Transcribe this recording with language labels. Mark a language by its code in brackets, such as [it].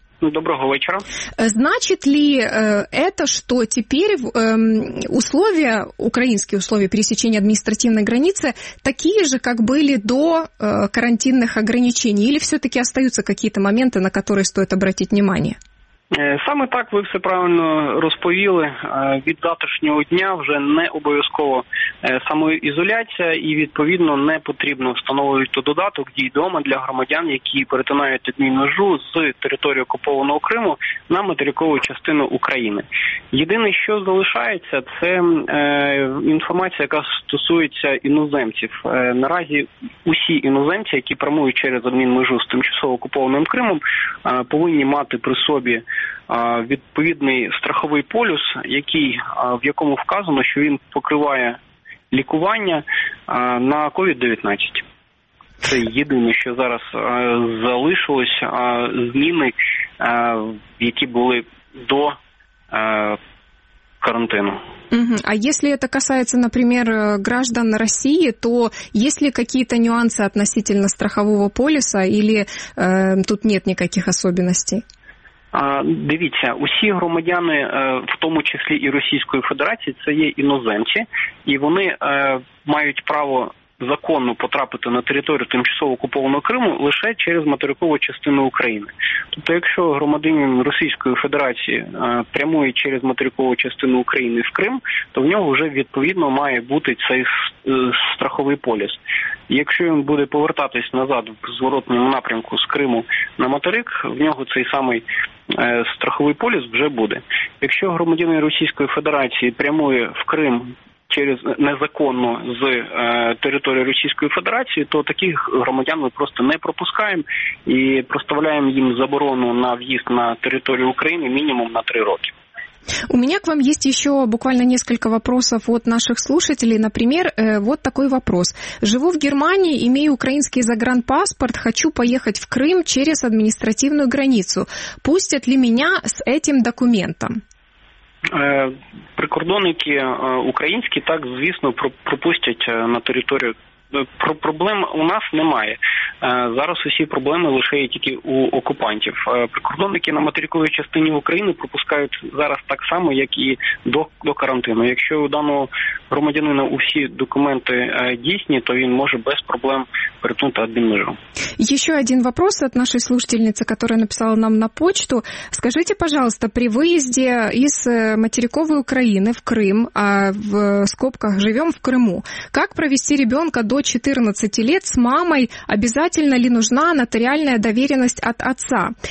[ru] Доброго вечера. Значит ли это, что теперь условия, украинские условия пересечения административной границы такие же, как были до карантинных ограничений? Или все-таки остаются какие-то моменты, на которые стоит обратить внимание? [uk] Саме так ви все правильно розповіли. Від завтрашнього дня вже не обов'язково самоізоляція і, відповідно, не потрібно встановлювати додаток «Дій дома» для громадян, які перетинають адмінмежу з території окупованого Криму на материкову частину України. Єдине, що залишається, це інформація, яка стосується іноземців. Наразі усі іноземці, які прямують через адмінмежу з тимчасово окупованим Кримом, повинні мати при собі відповідний страховий полюс, який, в якому вказано, що він покриває лікування на COVID-19. Це єдине, що зараз залишилося, зміни, які були до карантину. А если это касается, например, граждан России, то есть ли какие-то нюансы относительно страхового полюса или тут нет никаких особенностей? Дивіться, усі громадяни, в тому числі і Російської Федерації, це є іноземці, і вони мають право законно потрапити на територію тимчасово окупованого Криму лише через материкову частину України. Тобто, якщо громадянин Російської Федерації прямує через материкову частину України в Крим, то в нього вже відповідно має бути цей страховий поліс. Якщо він буде повертатись назад в зворотному напрямку з Криму на материк, в нього цей самий страховий поліс вже буде. Якщо громадянин Російської Федерації прямує в Крим через незаконно з території Російської Федерації, то таких громадян ми просто не пропускаємо і проставляємо їм заборону на в'їзд на територію України мінімум на 3 роки. [ru] У меня к вам есть еще буквально несколько вопросов от наших слушателей. Например, вот такой вопрос. Живу в Германии, имею украинский загранпаспорт, хочу поехать в Крым через административную границу. Пустят ли меня с этим документом? [uk] Прикордонники [ru] украинские, [uk] так, звісно, пропустять [ru] на территорию [uk] Проблем у нас немає. Зараз усі проблеми лише є тільки у окупантів. Прикордонники на материковій частині України пропускають зараз так само, як і до карантину. Якщо у даного громадянина усі документи дійсні, то він може без проблем перетнути одним межом. [ru] Еще один вопрос от нашей слушательницы, которая написала нам на почту. Скажите, пожалуйста, при выезде из материковой Украины в Крым, а в скобках живем в Крыму, как провести ребенка до 14 лет с мамой? Обязательно ли нужна нотариальная доверенность от отца?